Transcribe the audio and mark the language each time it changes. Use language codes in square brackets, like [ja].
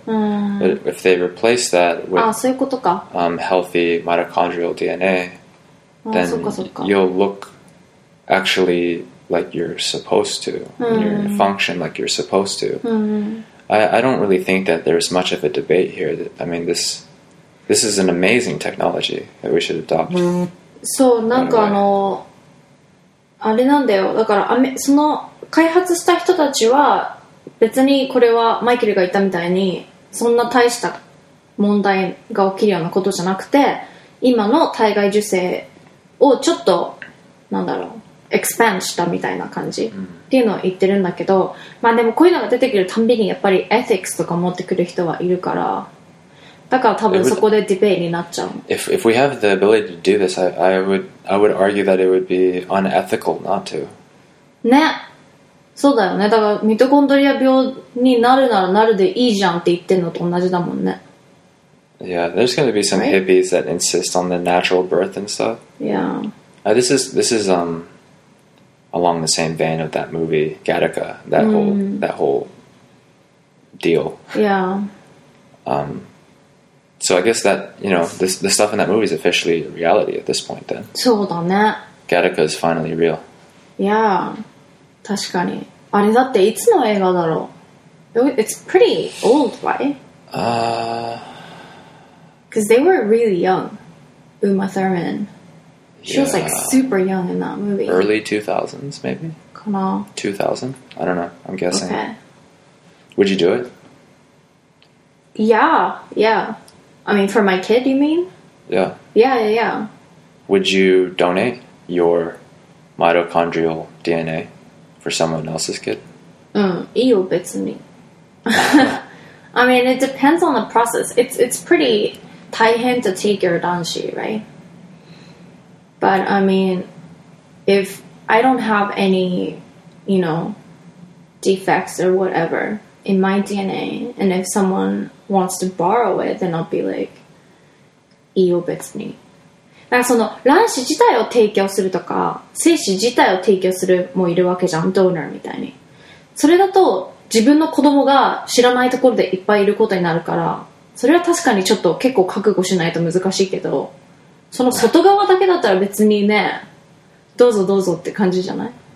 [en] But if they replace that with healthy mitochondrial DNA, then you'll look actually like you're supposed to. You'll function like you're supposed to. I don't really think that there's much of a debate here. I mean, this is an amazing technology that we should adopt. [ja] そう、なんかあれなんだよ。だから、その開発した人たちは別にこれはマイケルが言ったみたいにそんな大した問題が起きるようなことじゃなくて、今の体外受精をちょっと、なんだろう、エクスパンしたみたいな感じっていうのを言ってるんだけど、まあでもこういうのが出てくるたんびにやっぱりエティクスとか持ってくる人はいるから、だから多分そこでディベートになっちゃう。 [en] if we have the ability to do this, I would argue that it would be unethical not to. [ja] ね、そうだよね。だからミトコンドリア病になるならなるでいいじゃんって言ってんのと同じだもんね。 [en] Yeah, there's going to be some hippies that insist on the natural birth and stuff. Yeah. This is along the same vein of that movie Gattaca, that whole deal. Yeah. So I guess that, you know, the stuff in that movie is officially reality at this point then. [ja] そうだね。 [en] Gattaca is finally real. Yeah. [ja] 確かに。あれだっていつの映画だろう。 [en] It's pretty old, right? Because they were really young. Uma Thurman. She was like super young in that movie. Early 2000s, maybe? [ja] かな。 [en] 2000? I don't know. I'm guessing. Okay. Would you do it? Yeah, yeah. I mean, for my kid, you mean? Yeah. Yeah, yeah, yeah. Would you donate your mitochondrial DNA? For someone else's kid? [ja] いいよ、別に。 [en] I mean, it depends on the process. It's pretty [ja] 大変 [en] to take your 卵子, right? But, I mean, if I don't have any, you know, defects or whatever in my DNA, and if someone wants to borrow it, then I'll be like, [ja] いいよ、別に。なんかその卵子自体を提供するとか精子自体を提供するもいるわけじゃん、ドーナーみたいに。それだと自分の子供が知らないところでいっぱいいることになるから、それは確かにちょっと結構覚悟しないと難しいけど、その外側だけだったら別にね、どうぞどうぞって感じじゃない？